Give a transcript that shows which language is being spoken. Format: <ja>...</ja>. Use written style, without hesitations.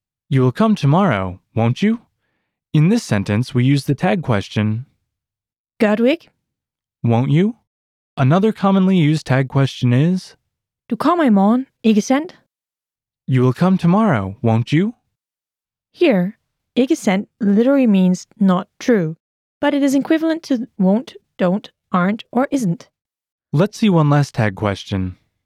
<en>You will come tomorrow, won't you? In this sentence, we use the tag question</en> <da>gør du ikke?</da> <en>Won't you? Another commonly used tag question is</en> <da>du kommer i morgen, ikke sant?</da> <en>You will come tomorrow, won't you? Here, ikke sant literally means not true, but it is equivalent to won't, don't, aren't, or isn't. Let's see one last tag question.</en>